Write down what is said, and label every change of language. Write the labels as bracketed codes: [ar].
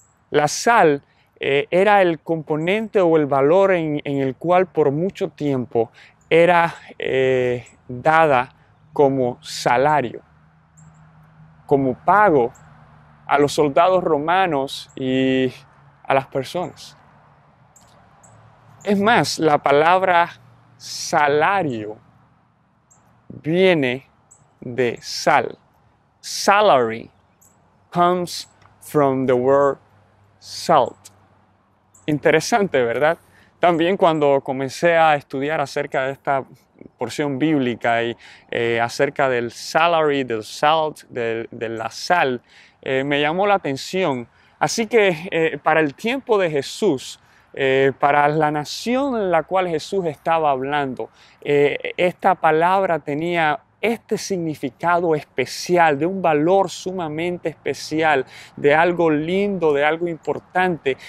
[es] La sal era el componente o el valor en el cual por mucho tiempo era dada como salario, como pago a los soldados romanos y a las personas. Es más, la palabra salario viene de sal. [en] Salary comes from the word salt. [es] Interesante, ¿verdad? También cuando comencé a estudiar acerca de esta porción bíblica y acerca del salary, del salt, de la sal, me llamó la atención. Así que para el tiempo de Jesús, para la nación en la cual Jesús estaba hablando, esta palabra tenía este significado especial, de un valor sumamente especial, de algo lindo, de algo importante.